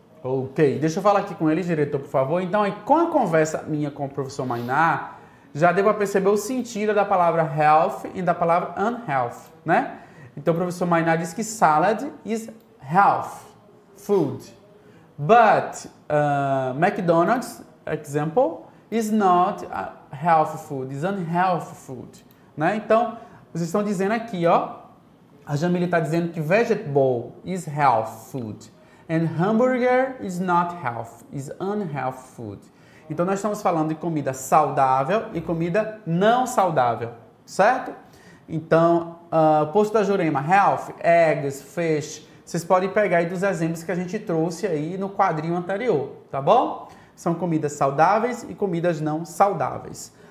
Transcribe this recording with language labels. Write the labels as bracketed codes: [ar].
[pt] Ok, deixa eu falar aqui com ele, diretor, por favor. Então, com a conversa minha com o professor Mainar, já deu para perceber o sentido da palavra health e da palavra unhealth, né? Então, o professor Mainar disse que [en] salad is health food. But McDonald's, example, is not a health food, is unhealth food. Né? [pt] Então, vocês estão dizendo aqui, ó. A Jamile está dizendo que vegetable is health food. [en] And hamburger is not health, is unhealth food. [pt] Então, nós estamos falando de comida saudável e comida não saudável, certo? Então, posto da Jurema, health, eggs, fish. Vocês podem pegar aí dos exemplos que a gente trouxe aí no quadrinho anterior, tá bom? São comidas saudáveis e comidas não saudáveis.